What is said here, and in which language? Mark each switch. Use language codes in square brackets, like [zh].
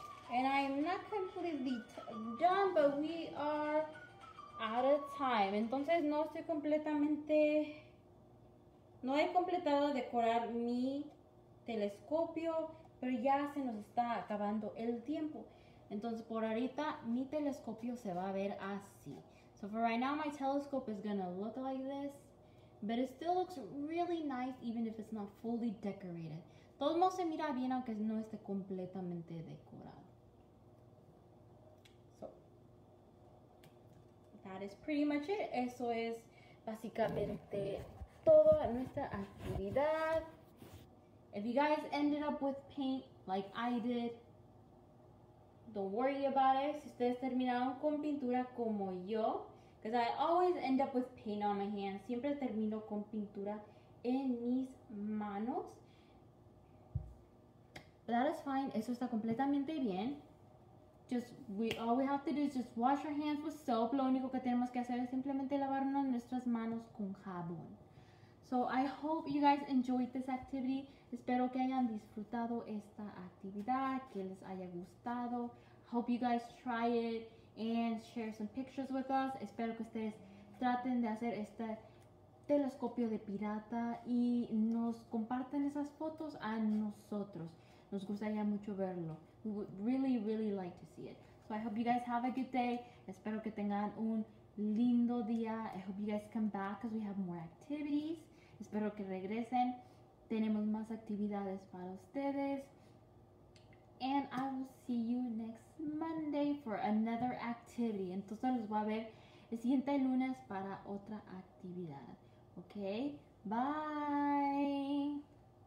[en] And I'm not completely done, but we are out of time. [es] Entonces no estoy completamente... No he completado decorar mi telescopio, pero ya se nos está acabando el tiempo. Entonces por ahorita mi telescopio se va a ver así. [en] So for right now, my telescope is gonna look like this, but it still looks really nice even if it's not fully decorated. [es] Todo el mundo se mira bien aunque no esté completamente decorado. [en] So, that is pretty much it. [es] Eso es básicamente toda nuestra actividad. [en] If you guys ended up with paint like I did, don't worry about it. [es] Si ustedes terminaron con pintura como yo, [en] because I always end up with paint on my hands. [es] Siempre termino con pintura en mis manos. [en] But that is fine. [es] Eso está completamente bien. [en] Just, all we have to do is just wash our hands with soap. [es] Lo único que tenemos que hacer es simplemente lavarnos nuestras manos con jabón. [en] So I hope you guys enjoyed this activity. [es] Espero que hayan disfrutado esta actividad, que les haya gustado. [en] Hope you guys try it and share some pictures with us. [es] Espero que ustedes traten de hacer este telescopio de pirata y nos compartan esas fotos a nosotros. Nos gustaría mucho verlo. [en] We would really, really like to see it. So I hope you guys have a good day. [es] Espero que tengan un lindo día. [en] I hope you guys come back because we have more activities. [es] Espero que regresen. Tenemos más actividades para ustedes. [en] And I will see you next Monday for another activity. [es] Entonces los voy a ver el siguiente lunes para otra actividad. [en] Okay? Bye!